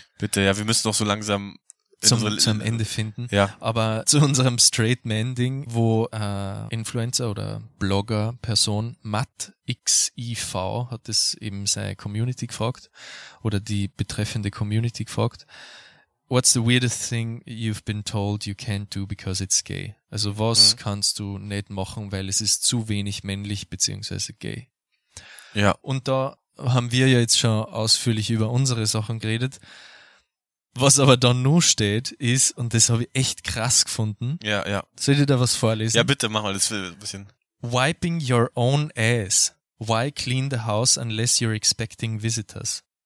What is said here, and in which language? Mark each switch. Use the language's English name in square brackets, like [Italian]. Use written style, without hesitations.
[German] Bitte, ja, wir müssen doch so langsam zum Ende finden. Ja. Aber zu unserem Straight Man Ding, wo Influencer oder Blogger Person MattXIV hat das eben seine Community gefragt oder die betreffende Community gefragt. [English] What's the weirdest thing you've been told you can't do because it's gay? [German] Also was kannst du nicht machen, weil es ist zu wenig männlich beziehungsweise gay? Ja. Und da haben wir ja jetzt schon ausführlich über unsere Sachen geredet. Was aber dann nur steht, ist, und das habe ich echt krass gefunden. Ja, ja. Soll ich da was vorlesen? Ja, bitte, mach mal das ein bisschen. [English] Wiping your own ass. Why clean the house unless you're expecting visitors?